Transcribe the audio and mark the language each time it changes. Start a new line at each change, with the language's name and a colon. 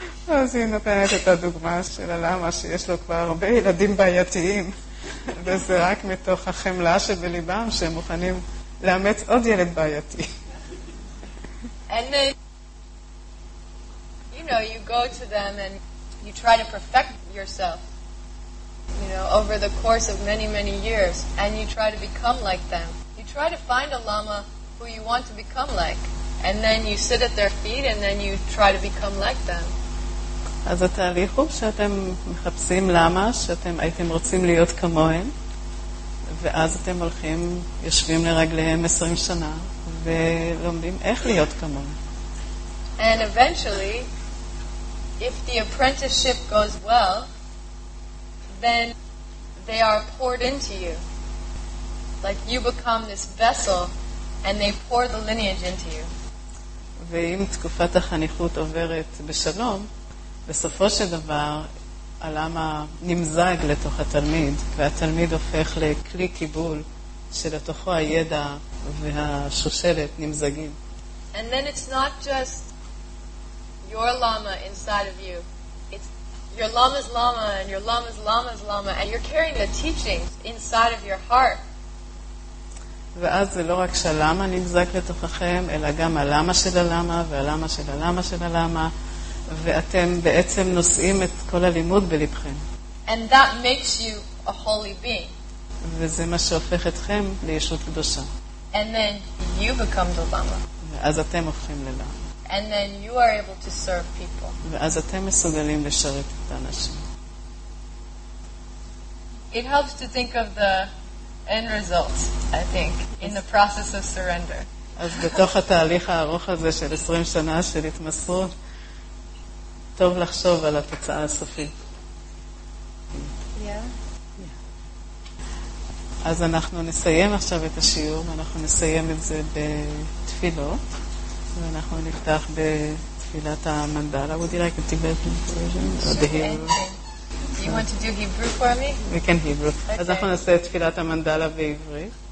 Hebrew: אז היא נותנת את הדוגמה של הלמה שיש לו כבר הרבה ילדים בעייתיים, וזה רק מתוך החמלה שבליבם שהם מוכנים לאמץ עוד ילד בעייתי.
English: And then, you know, you go to them and you try to perfect yourself, you know, over the course of many, many years, and you try to become like them. You try to find a lama who you want to become like, and then you sit at their feet and then you try to become like them.
Hebrew: אז התהליך הוא שאתם מחפשים למה שאתם הייתם רוצים להיות כמוהם, ואז אתם הולכים, יושבים לרגליהם 20 שנה ולומדים איך להיות כמוהם.
English: And eventually, if the apprenticeship goes well, then they are poured into you. Like you become this vessel and they pour the lineage into you.
Hebrew: ואם תקופת החניכות עוברת בשלום, בסופו של דבר, הלמה נמזג לתוך התלמיד, והתלמיד הופך לכלי קיבול שלתוכו הידע והשושלת נמזגים.
English: And then it's not just your lama inside of you. It's your lama's lama and your lama's lama's lama, and you're carrying the teachings inside of your heart.
Hebrew: ואז זה לא רק שהלמה נמזג לתוככם, אלא גם הלמה של הלמה והלמה של הלמה של הלמה, ואתם בעצם נושאים את כל הלימוד בלבכם.
English: And that makes you a holy being.
Hebrew: וזה מה שהופך אתכם לישות קדושה.
English: And then you become the Lama.
Hebrew: ואז אתם הופכים ללמה.
English: And then you are able to serve people.
Hebrew: ואז אתם מסוגלים לשרת את האנשים.
English: It helps to think of the end result, I think, in the process of surrender.
Hebrew: אז בתוך התהליך הארוך הזה של 20 שנה של התמסרות, טוב לחשוב על התוצאה הסופית.
English: Yeah.
Hebrew: אז אנחנו נסיים עכשיו את השיעור, אנחנו נסיים את זה בתפילות, ואנחנו נפתח בתפילת המנדלה.
English: Would you like a Tibetan version? Sure, anything. You want to do Hebrew for me? We can Hebrew. Okay.
Hebrew: אז אנחנו נעשה את תפילת המנדלה בעברית.